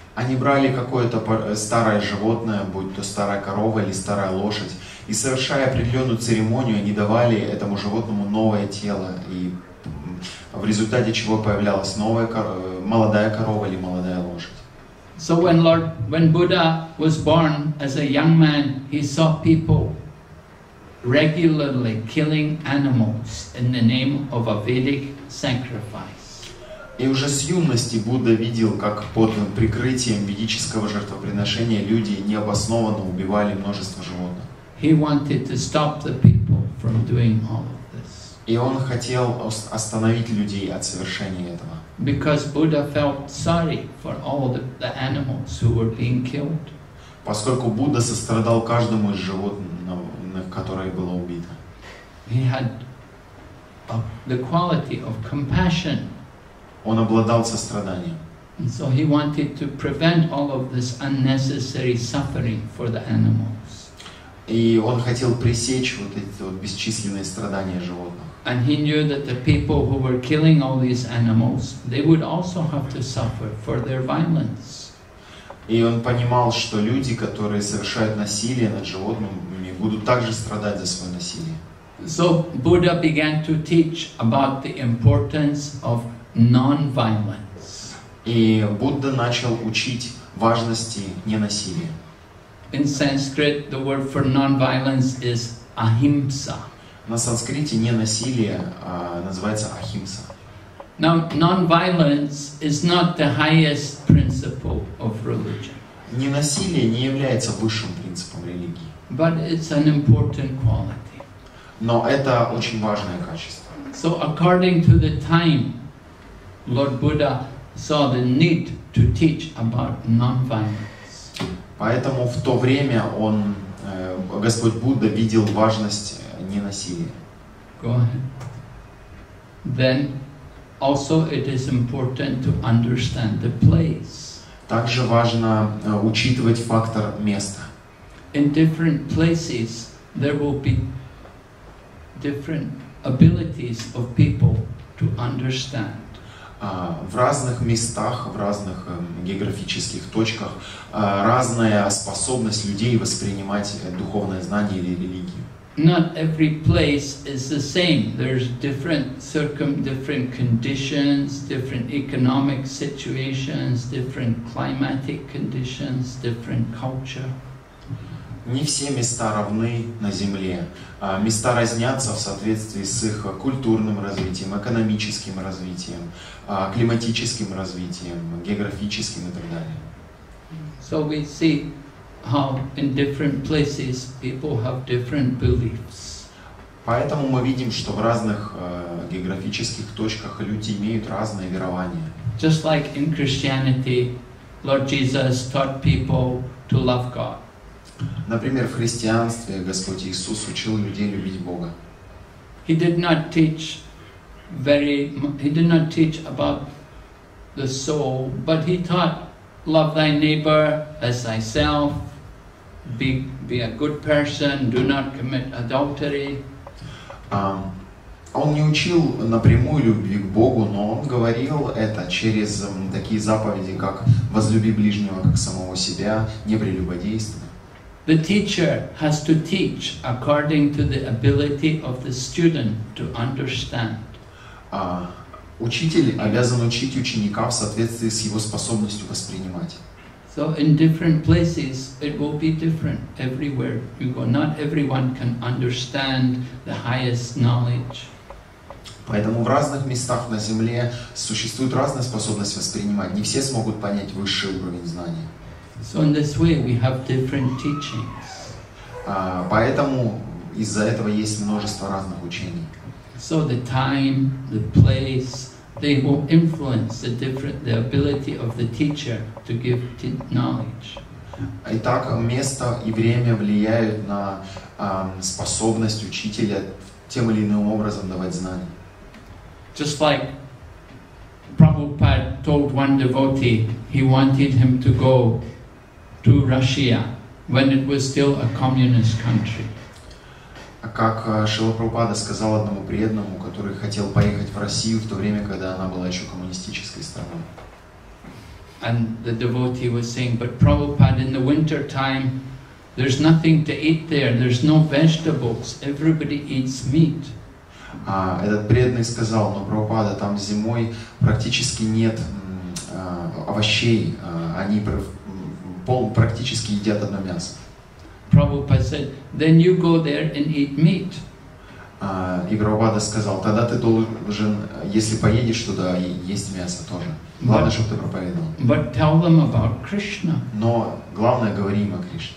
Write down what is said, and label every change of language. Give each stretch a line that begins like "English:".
Russian: Они брали какое-то старое животное, будь то старая корова или старая лошадь, и совершая определенную церемонию, они давали этому животному новое тело, и в результате чего появлялась новая молодая корова или молодая лошадь.
English: So when Buddha was born as a young man, he saw people regularly killing animals in the name of a Vedic sacrifice.
Russian: И уже с юности Будда видел, как под прикрытием ведического жертвоприношения люди необоснованно убивали множество животных.
English: He wanted to stop the people from doing all of this.
Russian: И он хотел остановить людей от совершения этого.
English: Because Buddha felt sorry for all the animals who were being killed.
Russian: Поскольку Будда сострадал каждому из животных, которое было убито.
English: He had the quality of compassion.
Russian: Он обладал состраданием.
English: And so he wanted to prevent all of this unnecessary suffering for the animals.
Russian: И он хотел пресечь вот эти вот бесчисленные страдания животных.
English: And he knew that the people who were killing all these animals, they would also have to suffer for their violence.
Russian: И он понимал, что люди, которые совершают насилие над животными, будут также страдать за свое насилие.
English: So Buddha began to teach about the importance of non-violence.
Russian: И Будда начал учить важности ненасилия.
English: In Sanskrit, the word for non-violence is ahimsa.
Russian: На санскрите ненасилие называется ахимса.
English: Now, non-violence is not the highest principle of religion.
Russian: Ненасилие не является высшим принципом религии.
English: But it's an important quality.
Russian: Но это очень важное качество.
English: So, according to the time, Lord Buddha saw the need to teach about non-violence.
Russian: Поэтому в то время он, Господь Будда, видел важность ненасилие.
English: Go ahead. Then also it is important to understand the place.
Russian: Также важно учитывать фактор места.
English: In different places there will be different abilities of people to understand.
Russian: В разных местах, в разных географических точках разная способность людей воспринимать духовное знание или религию.
English: Not every place is the same. There's different conditions, different economic situations, different climatic conditions, different culture.
Russian: Не все места равны на земле. Места разнятся в соответствии с их культурным развитием, экономическим развитием, климатическим развитием, географическим и так далее.
English: So we see how in different places people have different beliefs.
Russian: Поэтому мы видим, что в разных географических точках люди имеют разные верования.
English: Just like in Christianity, Lord Jesus taught people to love God.
Russian: Например, в христианстве Господь Иисус учил людей любить Бога.
English: He did not teach about the soul, but he taught love thy neighbor as thyself. Be a good person, do not commit adultery.
Russian: Он не учил напрямую любви к Богу, но он говорил это через такие заповеди, как возлюби ближнего как самого себя, не прелюбодействуй.
English: The teacher has to teach according to the ability of the student to understand.
Russian: Учитель обязан учить ученика в соответствии с его способностью воспринимать.
English: So in different places, it will be different everywhere you go. Not everyone can understand the highest knowledge.
Russian: Поэтому в разных местах на Земле существует разная способность воспринимать. Не все смогут понять высший уровень знания.
English: So in this way, we have different teachings.
Russian: Поэтому из-за этого есть множество разных учений.
English: So the time, the place, they will influence the different, the ability of the teacher to give knowledge.
Russian: Итак, место и время влияют на способность учителя тем или иным образом давать знания.
English: Just like Prabhupada told one devotee, he wanted him to go to Russia when it was still a communist country.
Russian: Как Шрила Прабхупада сказал одному преданному, который хотел поехать в Россию в то время, когда она была еще коммунистической страной.
English: And the devotee was saying, but Prabhupada, in the winter time, there's nothing to eat there, there's no vegetables, everybody eats meat.
Russian: Этот преданный сказал, но Прабхупада, там зимой практически нет овощей, они практически едят одно мясо.
English: Prabhupada said, then you go there and eat meat.
Russian: И Прабхупада сказал, тогда ты должен, если поедешь туда, есть мясо тоже. Главное, чтобы ты проповедовал.
English: But tell them about Krishna.
Russian: Но главное, говори им о Кришне.